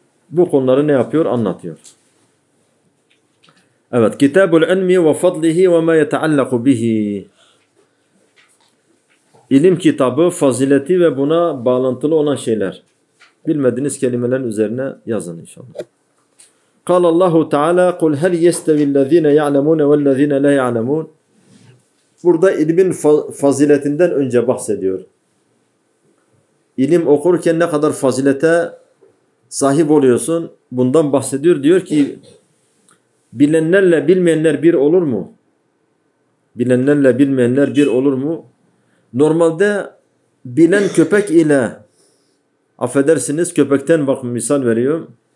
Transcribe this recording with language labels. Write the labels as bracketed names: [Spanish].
[Turkish] Bu konuları ne yapıyor? Anlatıyor. Evet. Kitabul ilmi ve fadlihi ve ma yeteallaku bihi. İlim kitabı, fazileti ve buna bağlantılı olan şeyler. Bilmediğiniz kelimelerin üzerine yazın inşallah. [Arabic] قال الله تعالى قل هل يستوي الذين يعلمون والذين لا يعلمون. [Turkish] Burada ilmin faziletinden önce bahsediyor. İlim okurken ne kadar fazilete sahip oluyorsun? Bundan bahsediyor. Diyor ki bilenlerle bilmeyenler bir olur mu? Bilenlerle bilmeyenler bir olur mu? Normalde bilen köpek ile, affedersiniz, köpekten bak misal veriyorum.